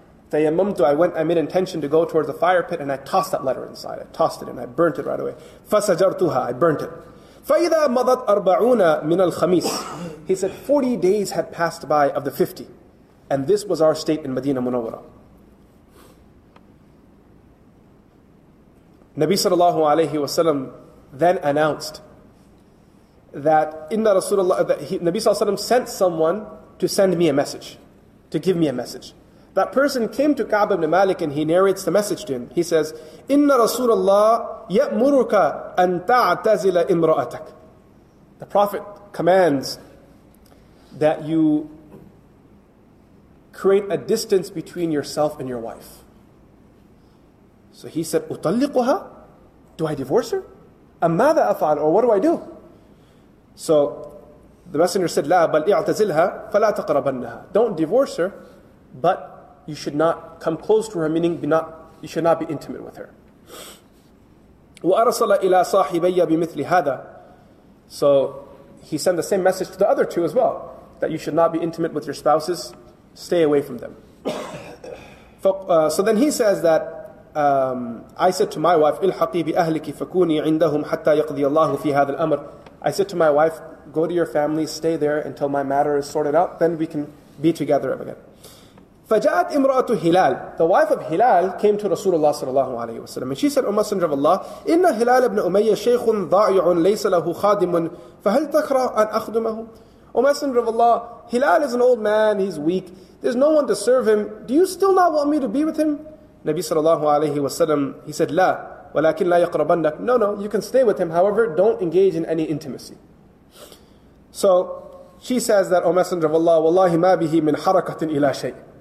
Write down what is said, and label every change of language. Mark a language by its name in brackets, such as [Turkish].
[Arabic] تيممت, [English] I made intention to go towards the fire pit and I tossed that letter inside. I tossed it and I burnt it right away. [Arabic] فسجرتها, [English] I burnt it. [Arabic] فإذا مضت أربعون من الخميس. [English] He said, 40 days had passed by of the 50. And this was our state in Medina Munawwara. Nabi sallallahu alayhi wa sallam then announced that [Arabic] inna Rasulullah, [English] that he, Nabi sallallahu alayhi wa sallam sent someone to send me a message, to give me a message. That person came to Ka'b ibn Malik and he narrates the message to him. He says, [Arabic] inna Rasulullah ya'muruka an ta'tazila imra'atak. [English] The Prophet commands that you create a distance between yourself and your wife. So he said, [Arabic] أُطَلِّقُهَا? [English] Do I divorce her? [Arabic] أَمَّاذَا أَفْعَلْ? [English] Or what do I do? So the messenger said, [Arabic] لَا بَلْ اِعْتَزِلْهَا فَلَا تَقْرَبَنَّهَا. [English] Don't divorce her, but you should not come close to her, meaning you should not be intimate with her. [Arabic] وَأَرَسَلَ إِلَىٰ صَاحِبَيَّ بِمِثْلِ هَذَا. [English] So he sent the same message to the other two as well, that you should not be intimate with your spouses, stay away from them. So then he says that, I said to my wife, [Arabic] إِلْحَقِي بِأَهْلِكِ فَكُونِي عِنْدَهُمْ حَتَّى يَقْضِي اللَّهُ فِي هَذَا الْأَمْرِ. [English] I said to my wife, go to your family, stay there until my matter is sorted out, then we can be together again. [Arabic] فَجَاءَتْ إِمْرَأَةُ هِلَالِ. [English] The wife of Hilal came to Rasulullah sallallahu alayhi wa sallam. And she said, O Messenger of Allah, [Arabic] إِنَّ هِلَالَ ابْنَ أُمَيَّ شَيْخٌ ضَائِعٌ لَيْسَ لَهُ خَادِمٌ فَهَلْ تَكْرَهُ أَنْ أَخْدُمَهُ. [English] O Messenger of Allah, Hilal is an old man, he's weak, there's no one to serve him, do you still not want me to be with him? Nabi sallallahu alayhi wa sallam, he said, [Arabic] لَا وَلَكِنْ لَا يَقْرَبَنَّكْ. [English] No, you can stay with him, however, don't engage in any intimacy. So, she says that, O Messenger of Allah, [Arabic] وَاللَّهِ مَا بِهِ مِنْ حَرَكَةٍ إِلَى شَيْءٍ.